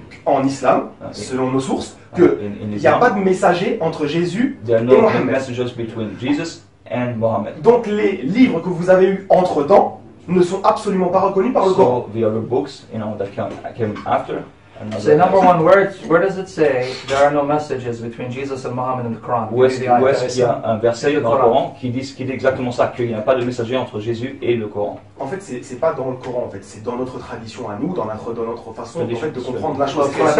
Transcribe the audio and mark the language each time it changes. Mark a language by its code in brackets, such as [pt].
[fr] en islam, selon nos sources, qu'il n'y a pas de messager entre Jésus et Mohammed. [en] Messages between Jesus and Mohammed. [fr] Donc les livres que vous avez eus entre-temps ne sont absolument pas reconnus par le Coran. [en] The other books, you know, that came after... Say number one, where does it say there are no messages between Jesus and Muhammad in the Quran? [fr] Où est-ce qu'il y a un verset dans le Coran qui dit exactement ça, qu'il n'y a pas de messager entre Jésus et le Coran? En fait, c'est pas dans le Coran, en fait, c'est dans notre tradition à nous, dans notre façon en fait, de comprendre la chose.